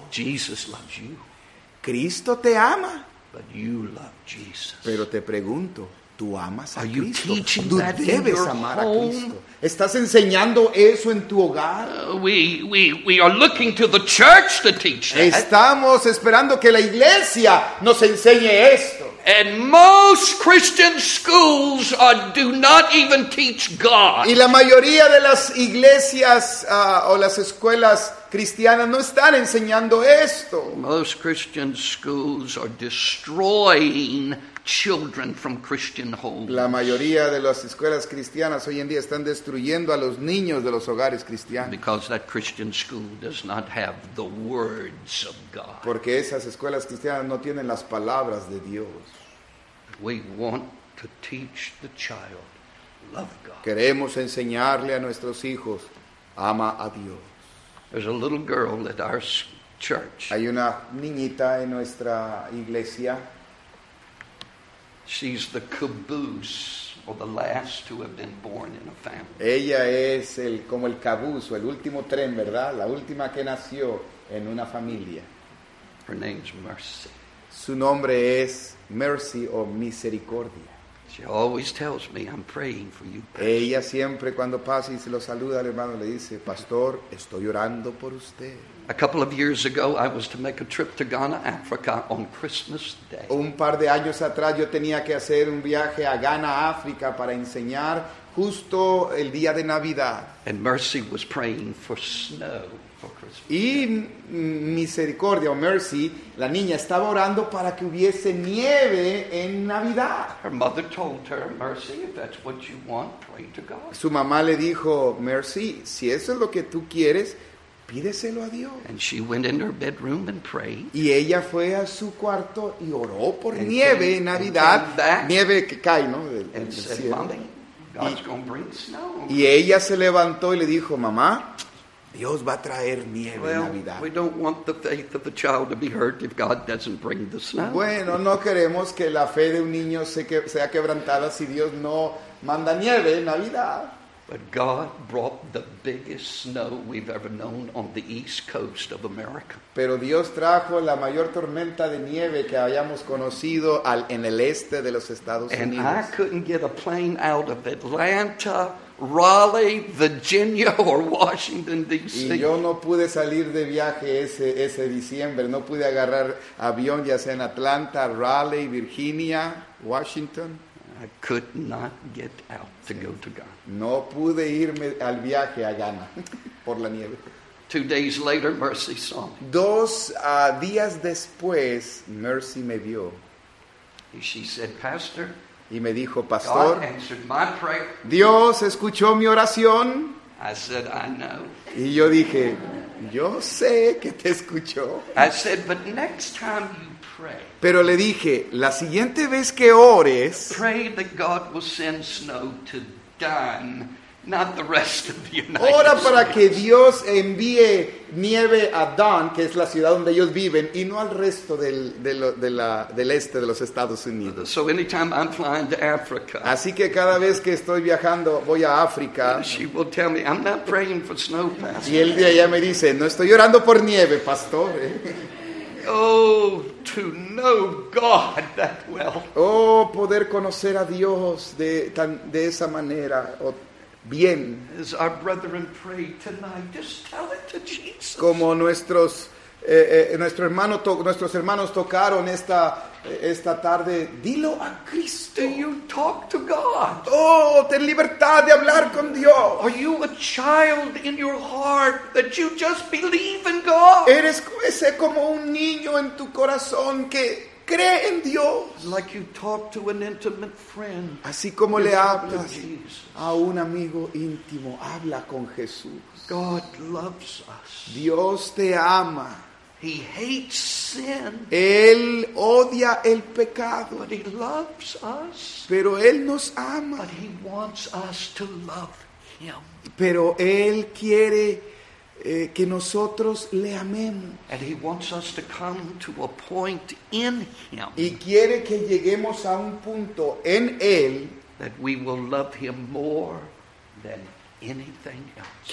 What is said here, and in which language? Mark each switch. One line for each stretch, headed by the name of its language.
English: Jesus loves you.
Spanish: Cristo te ama.
English: But you love Jesus.
Spanish: Pero te pregunto, ¿tú amas a
English: Are
Spanish: Cristo?
English: You teaching
Spanish: ¿Tú
English: that
Spanish: debes
English: in your
Spanish: amar
English: home?
Spanish: A Cristo? ¿Estás enseñando eso en tu hogar?
English: We are looking to the church to teach that.
Spanish: Estamos esperando que la iglesia nos enseñe esto.
English: And most Christian schools do not even teach God.
Spanish: Y la mayoría de las iglesias o las escuelas cristianas no están enseñando esto.
English: Most Christian schools are destroying children from Christian homes.
Spanish: La mayoría de las escuelas cristianas hoy en día están destruyendo a los niños de los hogares cristianos.
English: Because that Christian school does not have the words of God.
Spanish: Porque esas escuelas cristianas no tienen las palabras de Dios.
English: We want to teach the child love God.
Spanish: Queremos enseñarle a nuestros hijos ama a Dios.
English: There's a little girl at our church.
Spanish: Hay una niñita en nuestra iglesia.
English: She's the caboose, or the last to have been born in a family.
Spanish: Ella es el como el caboose, o el último tren, ¿verdad? La última que nació en una familia.
English: Her name's Mercy.
Spanish: Su nombre es Mercy, o Misericordia.
English: She always tells me, I'm praying for you, Pastor.
Spanish: Ella siempre cuando pasa y se lo saluda al hermano le dice, Pastor, estoy orando por usted.
English: A couple of years ago, I was to make a trip to Ghana, Africa on Christmas Day.
Spanish: Un par de años atrás yo tenía que hacer un viaje a Ghana, África para enseñar justo el día de Navidad.
English: And Mercy was praying for snow for Christmas.
Spanish: Y Misericordia o Mercy, la niña estaba orando para que hubiese nieve en Navidad.
English: Her mother told her, Mercy, if that's what you want, pray to God.
Spanish: Su mamá le dijo, Mercy, si eso es lo que tú quieres, pídeselo a Dios.
English: And she went in her bedroom and prayed.
Spanish: Y ella fue a su cuarto y oró por nieve en Navidad. Nieve que cae, ¿no?
English: And said, Mommy, God's gonna bring snow.
Spanish: Y ella se levantó y le dijo, Mamá, Dios va a traer nieve en Navidad.
English: We don't want the faith of the child to be hurt if God doesn't bring the snow.
Spanish: Bueno, no queremos que la fe de un niño sea quebrantada si Dios no manda nieve en Navidad.
English: But God brought the biggest snow we've ever known on the east coast of America.
Spanish: Pero Dios trajo la mayor tormenta de nieve que hayamos conocido en el este de los Estados Unidos.
English: And I couldn't get a plane out of Atlanta Raleigh, Virginia, or Washington, D.C.
Spanish: Y yo no pude salir de viaje ese diciembre. No pude agarrar avión, ya sea en Atlanta, Raleigh, Virginia, Washington.
English: I could not get out to go to Ghana.
Spanish: No pude irme al viaje a Ghana por la nieve.
English: 2 days later, Mercy saw me.
Spanish: Dos días después, Mercy me vio.
English: And she said, Pastor.
Spanish: Y me dijo, Pastor,
English: God answered my prayer.
Spanish: Dios escuchó mi oración.
English: I said, I know.
Spanish: Y yo dije, yo sé que te escuchó.
English: I said, but next time you pray.
Spanish: Pero le dije, la siguiente vez que ores,
English: pray that God will send snow to Dan, not the rest of the United States.
Spanish: Ora para que Dios envíe nieve a Dan, que es la ciudad donde ellos viven, y no al resto del este de los Estados Unidos.
English: So anytime I'm flying to Africa,
Spanish: así que cada vez que estoy viajando, voy a África.
English: She will tell me, I'm not praying for snow, Pastor.
Spanish: Y el día ya me dice, no estoy orando por nieve, Pastor.
English: Oh, to know God that well.
Spanish: Oh, poder conocer a Dios de esa manera. Bien.
English: As our brethren pray tonight, just tell it to Jesus.
Spanish: Como nuestros hermanos tocaron esta tarde, dilo a Cristo.
English: Do you talk to God?
Spanish: Oh, ten libertad de hablar con Dios.
English: Are you a child in your heart that you just believe in God?
Spanish: Eres ese como un niño en tu corazón que cree en Dios.
English: Like you talk to an intimate friend.
Spanish: Así como le hablas a un amigo íntimo, habla con Jesús.
English: God loves us.
Spanish: Dios te ama.
English: He hates sin.
Spanish: Él odia el pecado.
English: But he loves us.
Spanish: Pero él nos ama.
English: But he wants us to love him.
Spanish: Pero él quiere que nosotros le amemos.
English: And he wants us to come to a point in him.
Spanish: Y quiere que lleguemos a un punto en él.
English: That we will love him more than anything else.